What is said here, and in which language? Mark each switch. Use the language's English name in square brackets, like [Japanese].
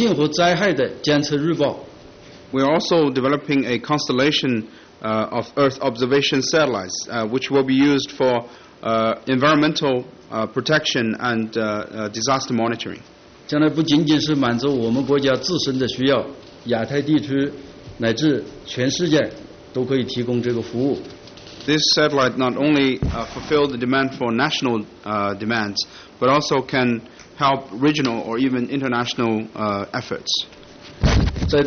[Chinese] 我们今后几年要建成一个对地观测的一个卫星的一个星座，这个星座主要是用在环境和灾害的监测日报。 [English] We are also developing a constellation of Earth observation satellites, which will be used for environmental protection and disaster monitoring. [Chinese] 将来不仅仅是满足我们国家自身的需要，亚太地区乃至全世界都可以提供这个服务。 [English] This satellite not only fulfills the demand for national demands, but also can help regional or even international efforts.